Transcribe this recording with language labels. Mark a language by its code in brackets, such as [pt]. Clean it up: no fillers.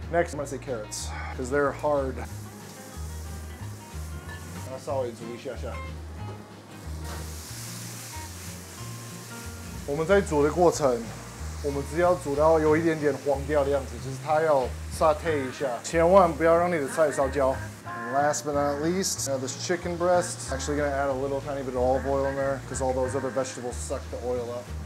[en] Next, I'm gonna say carrots, cause they're hard. [zh] 稍微煮一下下。我们在煮的过程，我们只要煮到有一点点黄掉的样子，就是它要 saute 一下，千万不要让你的菜烧焦。And [en] last but not least, now this chicken breast. Actually, gonna add a little tiny bit of olive oil in there, cause all those other vegetables suck the oil up.